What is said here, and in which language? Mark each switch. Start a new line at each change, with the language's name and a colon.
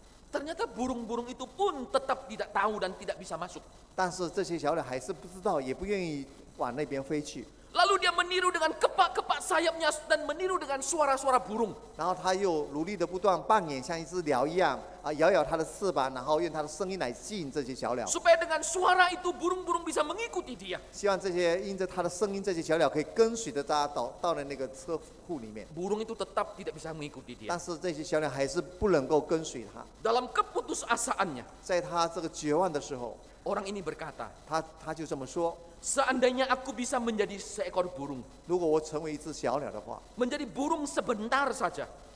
Indonesian: Ternyata burung-burung itu pun tetap tidak tahu dan tidak bisa masuk.
Chinese: 但是这些小鸟还是不知道，也不愿意往那边飞去。
Indonesian: Lalu dia meniru dengan kepak-kepak sayapnya dan meniru dengan suara-suara burung.
Chinese: 然后他又努力的不断扮演像一只鸟一样，摇摇他的翅膀，然后用他的声音来吸引这些小鸟。
Indonesian: Supaya dengan suara itu burung-burung bisa mengikuti dia.
Chinese: 希望这些因着他的声音，这些小鸟可以跟随着他到那个车库里面。
Indonesian: Burung itu tetap tidak bisa mengikuti dia.
Chinese: 但是这些小鸟还是不能够跟随他。
Indonesian: Dalam keputusasaannya.
Chinese: 在他这个绝望的时候。
Indonesian: Orang ini berkata.
Chinese: 他就这么说。
Indonesian: Seandainya aku bisa menjadi seekor burung.
Chinese: 如果我成为一只小鸟的话,
Indonesian: menjadi burung sebentar saja.